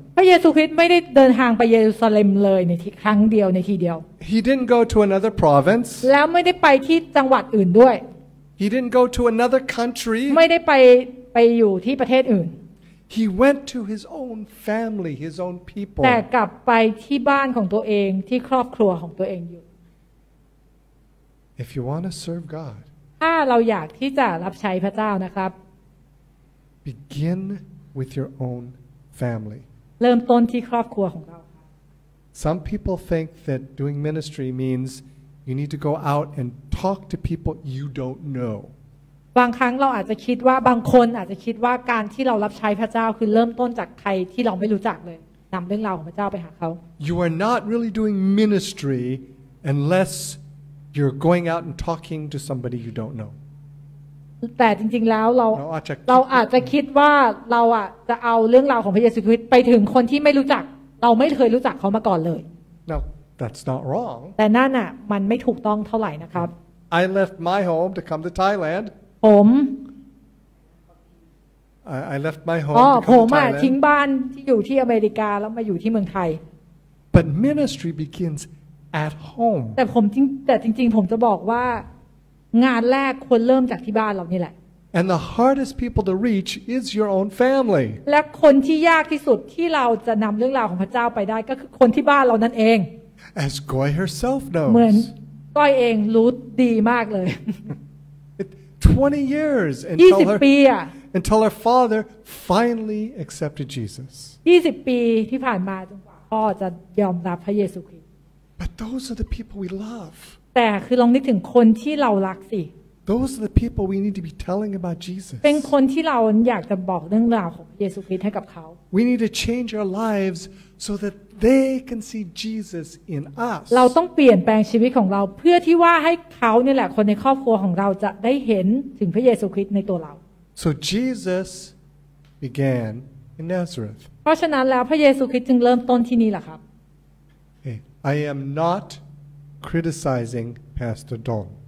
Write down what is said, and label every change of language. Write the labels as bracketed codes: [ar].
[th] พระเยซูคริสต์ไม่ได้เดินทางไปเยรูซาเล็มเลยในที่ครั้งเดียวในทีเดียว [en] He didn't go to another province [th] แล้วไม่ได้ไปที่จังหวัดอื่นด้วย [en] He didn't go to another country. [th] ไม่ได้ไปอยู่ที่ประเทศอื่น [en] He went to his own family, his own people. [th] แต่กลับไปที่บ้านของตัวเองที่ครอบครัวของตัวเองอยู่ [en] If you want to serve God. [th] ถ้าเราอยากที่จะรับใช้พระเจ้านะครับ [en] Begin with your own family. [th] เริ่มต้นที่ครอบครัวของเรา [en] Some people think that doing ministry means you need to go out and talk to people you don't know [th] บางครั้งเราอาจจะคิดว่าบางคนอาจจะคิดว่าการที่เรารับใช้พระเจ้าคือเริ่มต้นจากใครที่เราไม่รู้จักเลยนําเรื่องราวของพระเจ้าไปหาเขา [en] you are not really doing ministry unless you're going out and talking to somebody you don't know [th] แต่จริงๆแล้วเราอาจจะคิดว่าเราอ่ะจะเอาเรื่องราวของพระเยซูคริสต์ไปถึงคนที่ไม่รู้จักเราไม่เคยรู้จักเขามาก่อนเลย [en] noThat's not wrong. [th] แต่นั่นน่ะมันไม่ถูกต้องเท่าไหร่นะครับ [en] I left my home to come to Thailand. [th] ผม [en] I left my home to come to Thailand. [th] ผมทิ้งบ้านที่อยู่ที่อเมริกาแล้วมาอยู่ที่เมืองไทย [en] But ministry begins at home. [th] แต่จริงๆผมจะบอกว่างานแรกควรเริ่มจากที่บ้านเรานี่แหละ [en] And the hardest people to reach is your own family. [th] และคนที่ยากที่สุดที่เราจะนําเรื่องราวของพระเจ้าไปได้ก็คือคนที่บ้านเรานั่นเอง [en] As Goy herself knows. [th] เหมือนก้อยเองรู้ดีมากเลย [en] 20 years until her father finally accepted Jesus. [th] 20ปีที่ผ่านมาจนกว่าพ่อจะยอมรับพระเยซูคริสต์ [en] But those are the people we love. [th] แต่คือลองนึกถึงคนที่เรารักสิ [en] Those are the people we need to be telling about Jesus. [th] เป็นคนที่เราอยากจะบอกเรื่องราวของพระเยซูคริสต์ให้กับเขา [en] We need to change our lives. So that they can see Jesus in us. [th] เราต้องเปลี่ยนแปลงชีวิตของเราเพื่อที่ว่าให้เขาเนี่ยแหละคนในครอบครัวของเราจะได้เห็นถึงพระเยซูคริสต์ในตัวเรา [en] So Jesus began in Nazareth. [th] เพราะฉะนั้นแล้วพระเยซูคริสต์จึงเริ่มต้นที่นี่แหละครับ [en] Hey, I am not criticizing Pastor Don.